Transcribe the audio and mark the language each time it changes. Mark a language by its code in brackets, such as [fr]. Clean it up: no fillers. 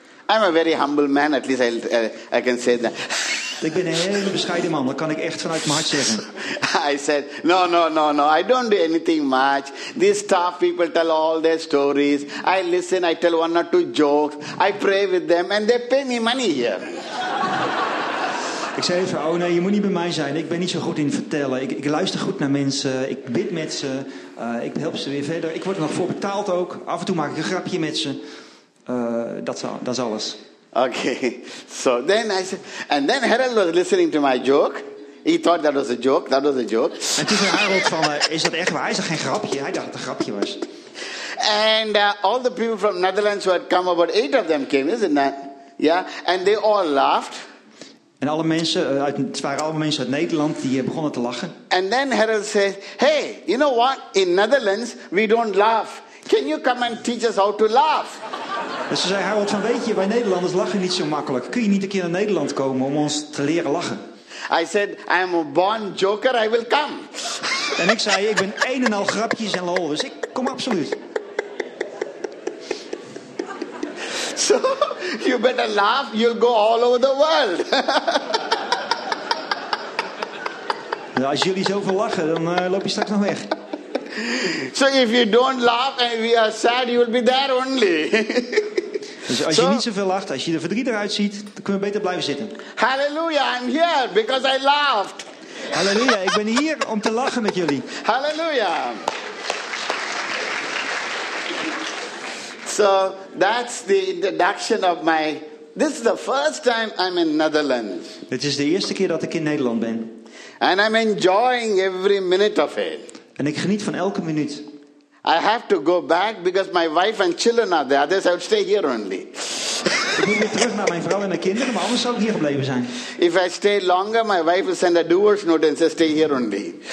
[en] I'm a very humble man, at least I can say that. [nl] Ik ben een hele bescheiden man, dat kan ik echt vanuit mijn hart zeggen. [en] I said, no, I don't do anything much. These staff people tell all their stories. I listen, I tell one or two jokes. I pray with them and they pay me money here. [nl] Ik zei even, oh nee, je moet niet bij mij zijn. Ik ben niet zo goed in vertellen. Ik luister goed naar mensen. Ik bid met ze. Ik help ze weer verder. Ik word er nog voor betaald ook. Af en toe maak ik een grapje met ze. dat is alles. [en] Okay. So then I said, and then Harold was listening to my joke. He thought that was a joke. That was a joke. [nl] En toen zei Harold van, is dat echt waar? Hij zag geen grapje. Hij dacht dat het een grapje was. [en] And all the people from Netherlands who had come, about 8 of them came, isn't that? Yeah. And they all laughed. [nl] En alle mensen, het waren allemaal mensen uit Nederland die begonnen te lachen. [en] And then Harold said, hey, you know what? In Netherlands we don't laugh. Can you come and teach us how to laugh? [nl] Dus ze zei Harold van, weet je, wij Nederlanders lachen niet zo makkelijk. Kun je niet een keer naar Nederland komen om ons te leren lachen? [en] I said, I am a born joker, I will come. [nl] En ik zei, ik ben een en al grapjes en lol, dus ik kom absoluut. [en] So, you better laugh, you'll go all over the world. [nl] Nou, als jullie zoveel lachen, dan loop je straks nog weg. [en] So if you don't laugh and we are sad, you will be there only. [nl] Dus als je niet zoveel lacht, als je er verdrietig uitziet, dan kunnen we beter blijven zitten. [en] Hallelujah, I'm here because I laughed. [nl] Hallelujah, ik ben hier om te lachen met jullie. Hallelujah. [en] So that's the introduction of my. This is the first time I'm in Netherlands. [nl] Dit is de eerste keer dat ik in Nederland ben. [en] And I'm enjoying every minute of it. [nl] En ik geniet van elke minuut. [en] I have to go back because my wife and children are there. Otherwise, I would stay here only. [nl] Ik moet weer terug naar mijn vrouw en mijn kinderen, maar anders zou ik hier gebleven zijn. [en] If I stay longer, my wife will send a divorce note and say stay here only.